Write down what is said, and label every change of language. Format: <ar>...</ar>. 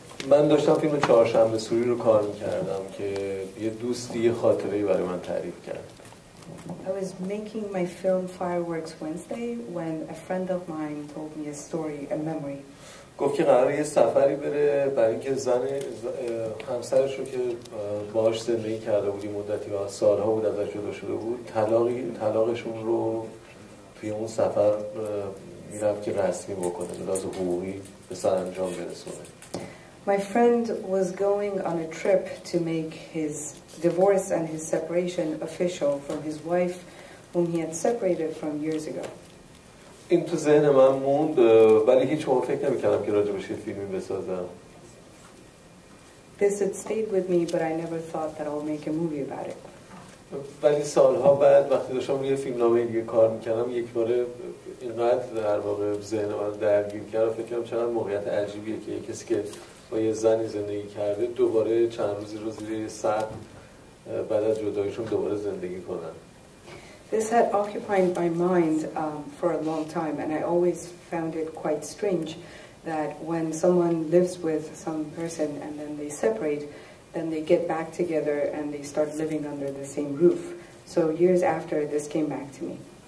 <fa>من داشتم فیلم چهارشنبه سوری رو کار میکردم که یه دوستی یه خاطره‌ای برای من تعریف کرد.</fa> <en>I was making my film Fireworks Wednesday when a friend of mine told me a story, a memory.</en> <fa>گفت که قراره یه سفری بره برای اینکه زن همسرش رو که باهاش زندگی کرده بودی مدتی و سالها بود ازش جدا شده بود طلاقشون رو توی اون سفر میرفت که رسمی بکنه به لحاظ حقوقی به سرانجام برسونه.</fa> <en>My friend was going on a trip to make his divorce and his separation official from his wife, whom he had separated from years ago.</en> <fa>این تو ذهن من موند ولی هیچ وقت فکر نمی‌کردم که راجبش یه فیلمی بسازم.</fa> <en>This had stayed with me, but I never thought that I'll make a movie about it.</en> <fa>ولی سالها بعد وقتی داشتم روی فیلمنامه دیگه کار میکردم یک بار اینقدر در واقع ذهن من درگیر کرد و فکر کردم چقدر موقعیت عجیبیه که یک کسی که با یه زنی زندگی کرده دوباره چند روزی رو زیر سر بعد از جدایشون دوباره زندگی کنن.</fa> <en>This had occupied my mind for a long time and I always found it quite strange that when someone lives with some person and then they separate, then they get back together and they start living under the same roof. So years after, this came back to me.</en>